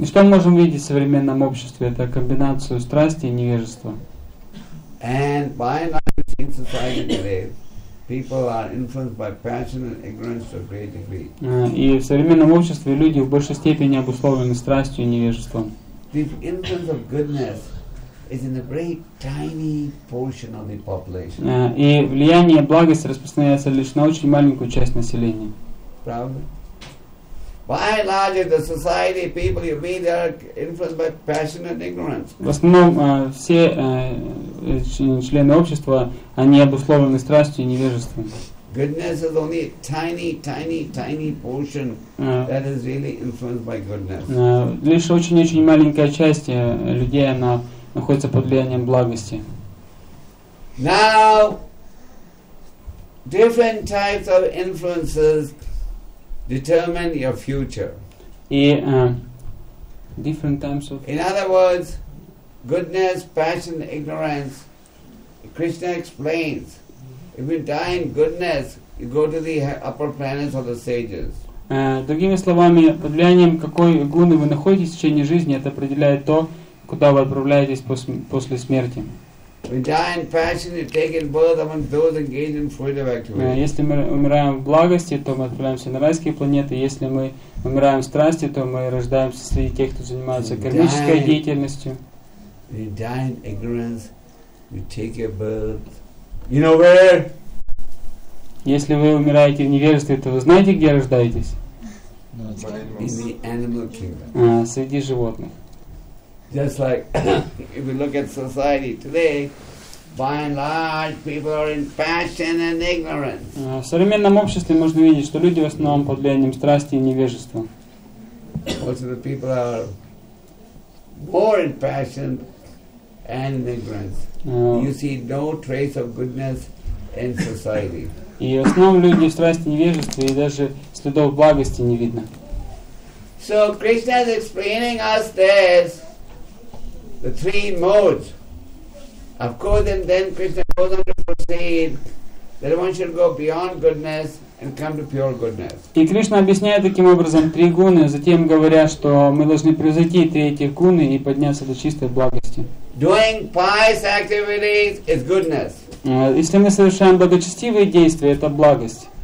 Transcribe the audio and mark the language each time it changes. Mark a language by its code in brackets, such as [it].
[ru] И что мы можем видеть в современном обществе? Это комбинацию страсти и невежества. [en] And by and large in society today, people are influenced by passion and ignorance to a great degree. [ru] И в современном обществе люди в большей степени обусловлены страстью и невежеством. [en] The influence of goodness is in a very tiny portion of the population. [ru] И влияние благости распространяется лишь на очень маленькую часть населения. Правда? [en] By and large, in the society, people you meet are influenced by passion and ignorance. [ru] В основном все члены общества они обусловлены страстью и невежеством. [en] Goodness is only a tiny portion that is really influenced by goodness. [ru] Лишь очень маленькая часть людей она находится под влиянием благости. [en] Now, different types of influences determine your future. Different times of. In other words, goodness, passion, ignorance. Krishna explains: if you die in goodness, you go to the upper planets or the sages. [ru] Другими словами, под влиянием какой гуны вы находитесь в течение жизни, это определяет то, куда вы отправляетесь после смерти. [en] When you die in passion, you take in birth among those engaged in fruitive activity. [ru] Если мы умираем в благости, то мы отправляемся на райские планеты. Если мы умираем в страсти, то мы рождаемся среди тех, кто занимается кармической деятельностью. [en] When you die in ignorance, you take your birth. You know where? [ru] Если вы умираете в невежестве, то вы знаете, где рождаетесь? [en] In the animal kingdom. [ru] Среди животных. [en] Just like if you look at society today, by and large, people are in passion and ignorance. [ru] В современном обществе можно видеть, что люди в основном под влиянием страсти и невежества. [en] Most of the people are more in passion and ignorance. You see no trace of goodness in society. [ru] И в основном люди в страсти и невежестве, и даже следов благости не видно. [en] So Krishna is explaining us this. The three modes. Of course, and then Krishna goes on to proceed that one should go beyond goodness and come to pure goodness. [ru] И Кришна объясняет таким образом три гуны, затем говоря, что мы должны превзойти третьи гуны и подняться до чистой благости. [en] Doing pious activities is goodness. [ru] Если мы совершаем благочестивые действия, это благость.